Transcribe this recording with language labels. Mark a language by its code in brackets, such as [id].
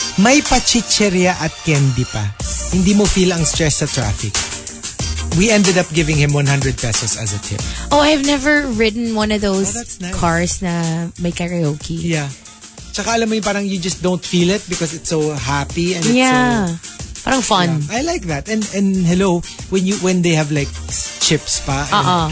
[tl] May pachicheria at candy pa. Hindi mo feel ang stress sa traffic. [en] We ended up giving him 100 pesos as a tip. Oh, I've never ridden one of those nice. [tl] Cars na may karaoke. [en] Yeah. [tl] Tsaka alam mo yung parang [en] you just don't feel it because it's so happy and it's yeah. so... Parang fun. Yeah. I like that. And hello, when they have like chips pa and uh-uh.